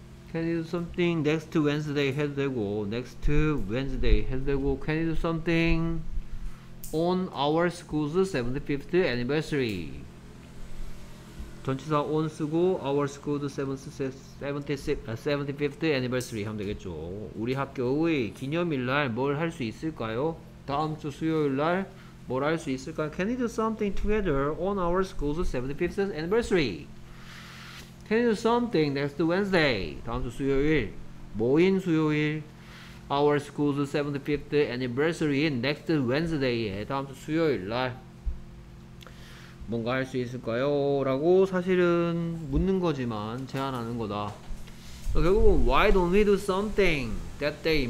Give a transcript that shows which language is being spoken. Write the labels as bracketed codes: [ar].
[en] Can we do something next Wednesday? [ko] 해도 되고 [en] next Wednesday 해도 되고 Can we do something on our school's 75th anniversary? [ko] 전치사 on 쓰고 [en] our school's 75th anniversary [ko] 하면 되겠죠. 우리 학교의 기념일날 뭘 할 수 있을까요? 다음 주 수요일날 뭘 할 수 있을까? [en] Can we do something together on our school's 75th anniversary? Can we do something next Wednesday? [ko] 다음 주 수요일 모인 수요일 [en] our school's 75th anniversary in next Wednesday에 [ko] 다음 주 수요일날 뭔가 할 수 있을까요? 라고 사실은 묻는 거지만 제안하는 거다. 결국은 [en] Why don't we do something that day?